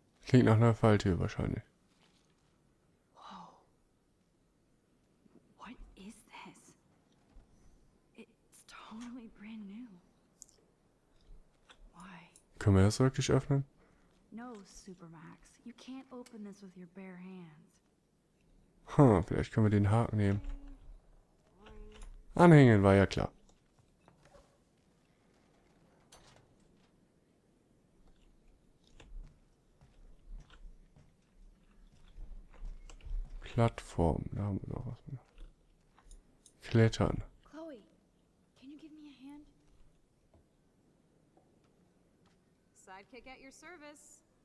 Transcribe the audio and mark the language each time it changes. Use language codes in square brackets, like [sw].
[de] Klingt nach einer Falltür wahrscheinlich. [en] Wow. What is this? It's totally brand new. Why? [de] Können wir das wirklich öffnen? [en] No, Supermax. You can't open this with your bare hands. [de] Vielleicht können wir den Haken nehmen. Anhängen, war ja klar. Plattform, da haben wir noch was mehr. Klettern. [en] Chloe, can you give me a hand? Sidekick at your service.